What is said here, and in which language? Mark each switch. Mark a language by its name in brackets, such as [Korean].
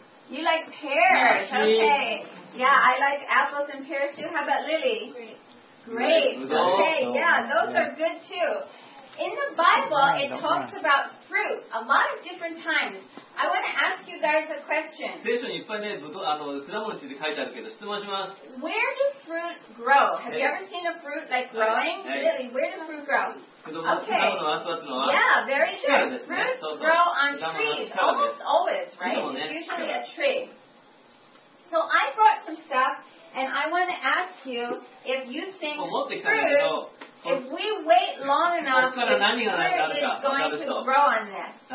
[English] You like pears. Okay. Yeah, I like apples and pears too. How about Lily? Great. Okay, yeah, those are good too. In the Bible, it talks about fruit a lot of different times. I want to ask you guys a question. [Japanese] 聖書にいっぱいね、ぶどう、あの、果物について書いてあるけど、質問します。 [English] Where do fruit grow? Have you ever seen a fruit like growing? Really, where do fruit grow? Yeah, very good. Fruits grow on trees, almost always, right? It's usually a tree. So I brought some stuff, and I want to ask you if you think fruit, if we wait long enough, the fruit is going to grow on this.